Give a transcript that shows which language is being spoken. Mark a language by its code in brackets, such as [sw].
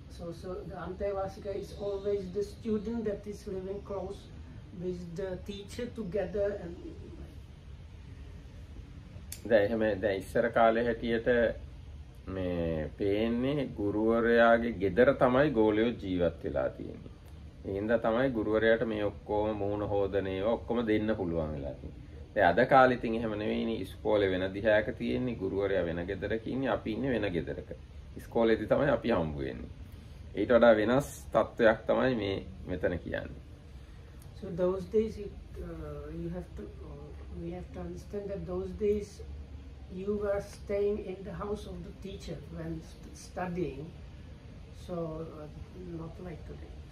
[en] So the antevasika is always the student that is living close with the teacher together. [si] And දැන් එහෙම දැන් ඉස්සර කාලේ හැටියට මේ පේන්නේ ගුරුවරයාගේ gedara තමයි ගෝලියෝ ජීවත් වෙලා තියෙන්නේ. ඒ හින්දා තමයි ගුරුවරයාට මේ ඔක්කොම මූණ හෝදනේ ඔක්කොම දෙන්න පුළුවන් වෙලා තියෙන්නේ. දැන් අද කාලේ ඉතින් එහෙම නෙවෙයිනේ, ඉස්කෝලේ වෙන දිහයක තියෙන්නේ, ගුරුවරයා වෙන gedarak ඉන්නේ, අපි ඉන්නේ වෙන gedarak. ඉස්කෝලේදී තමයි අපි හම්බ වෙන්නේ. ඊට වඩා වෙනස් තත්වයක් තමයි මේ මෙතන කියන්නේ. [en] So those days we have to understand that those days you were staying in the house of the teacher when studying, so not like today.